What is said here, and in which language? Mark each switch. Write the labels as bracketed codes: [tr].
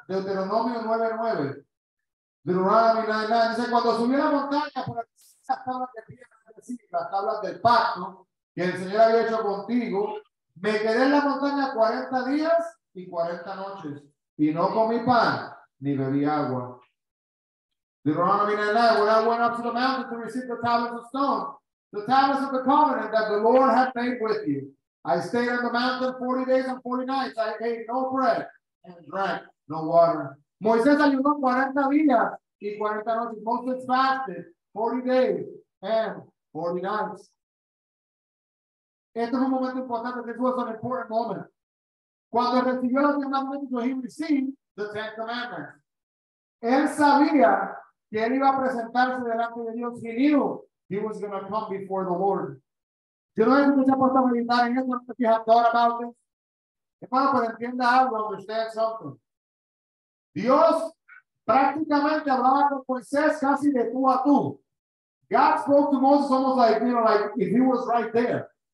[es] Deuteronomio 9:9. Dice, cuando subió la montaña por las tablas de piedra, las tablas del pacto que el Señor había hecho contigo, me quedé en la montaña 40 días y 40 noches y no comí pan ni bebí agua. [en] Deuteronomy 9:9. When I went up to the mountain to receive the tablets of stone, the tablets of the covenant that the Lord had made with you, I stayed on the mountain 40 days and 40 nights. I ate no bread and drank no water. [es] Moisés ayunó 40 días y 40 noches. [en] Moses fasted 40 days and 40 nights. [es] Este es un momento importante. [en] This was an important moment. [es] Cuando recibió los 10 mandamientos, [en] he received the 10 commandments. [es] Él sabía que él iba a presentarse delante de Dios. [en] He knew he was going to come before the Lord. [es] Yo no he escuchado por esta meditar en esto, no sé si [en] has thought about it. [es] Hermano, pero entienda algo, [en] understand something. [es] Dios prácticamente hablaba con Moisés casi de tú a tú. [en] God spoke to Moses almost like, you know, like if he was right there.